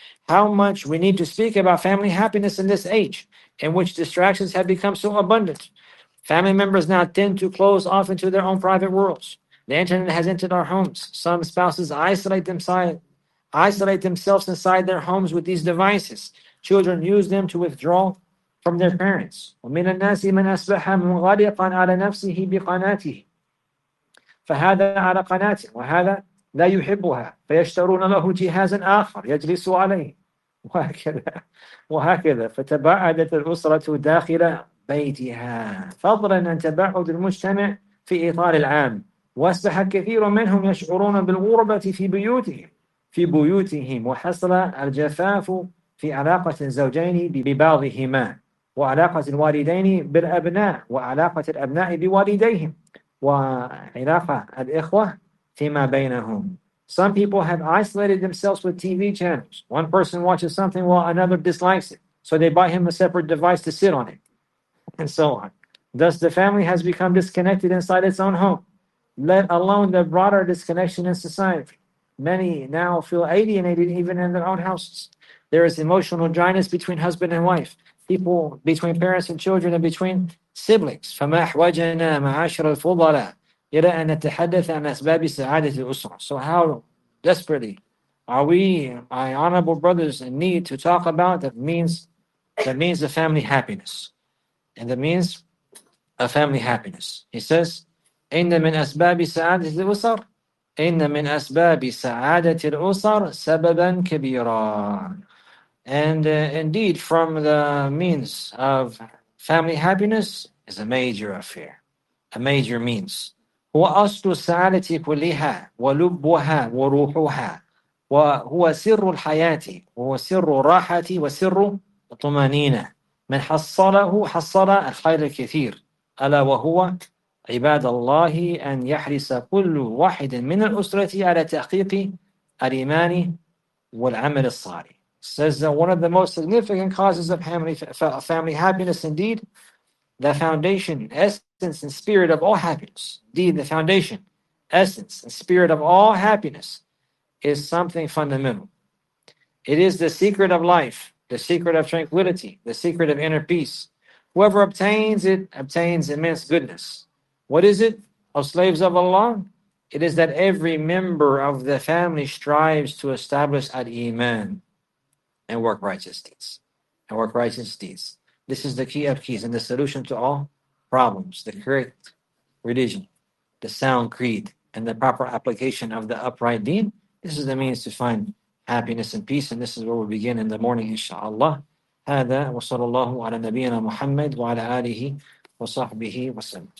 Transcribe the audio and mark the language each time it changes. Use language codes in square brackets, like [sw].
[en] How much we need to speak about family happiness in this age in which distractions have become so abundant. Family members now tend to close off into their own private worlds. The internet has entered our homes. Some spouses isolate themselves inside their homes with these devices. Children use them to withdraw from their parents. [ar] وَمِنَ النَّاسِ مَنْ أَصْبَحَ مُغَلِقًا عَلَى نَفْسِهِ بِقَنَاتِهِ فهذا على قناته وهذا لا يحبها فيشترون له جهازا آخر يجلس عليه وهكذا وهكذا فتباعدت الأسرة داخل بيتها فضلا عن تباعد المجتمع في إطار العام وأصبح كثير منهم يشعرون بالغربة في بيوتهم في بيوتهم وحصل الجفاف في علاقة الزوجين ببعضهما وعلاقة الوالدين بالأبناء وعلاقة الأبناء بوالديهم وعلاقة الإخوة فيما بينهم. [en] Some people have isolated themselves with TV channels. One person watches something while another dislikes it. So they buy him a separate device to sit on it, and so on. Thus, the family has become disconnected inside its own home, let alone the broader disconnection in society. Many now feel alienated even in their own houses. There is emotional dryness between husband and wife, people between parents and children, and between siblings. [ar] فَمَا أَحْوَجَنَا مَعَاشِرَ الْفُضَلَاءِ إِلَى أَن نَتَحَدَّثَ عَنْ أَسْبَابِ سَعَادَةِ الْأُسْرَةِ [en] So how desperately are we, my honorable brothers, in need to talk about the means of family happiness. And the means of family happiness. He says, [ar] إِنَّ مِنْ أَسْبَابِ سَعَادَةِ الْأُسْرَةِ إن من أسباب سعادة الأسر سببا كبيرا. [en] And indeed, from the means of family happiness is a major affair, a major means. [ar] هو أصل السعادة كلها ولبها وروحها وهو سر الحياة وهو سر الراحة وسر الطمأنينة من حصله حصل الخير الكثير ألا وهو عباد الله أن يحرص كل واحد من الأسرة على تحقيق الإيمان والعمل الصالح. [en] Says that one of the most significant causes of family happiness, indeed, the foundation, essence, and spirit of all happiness, indeed, the foundation, essence, and spirit of all happiness is something fundamental. It is the secret of life, the secret of tranquility, the secret of inner peace. Whoever obtains it, obtains immense goodness. What is it, O slaves of Allah? It is that every member of the family strives to establish al-Iman and work righteous deeds. And work righteous deeds. This is the key of keys and the solution to all problems. The correct religion, the sound creed, and the proper application of the upright deen. This is the means to find happiness and peace. And this is where we begin in the morning, inshaAllah. [ar] هذا وصلى الله على نبينا محمد وعلى آله وصحبه وسلم.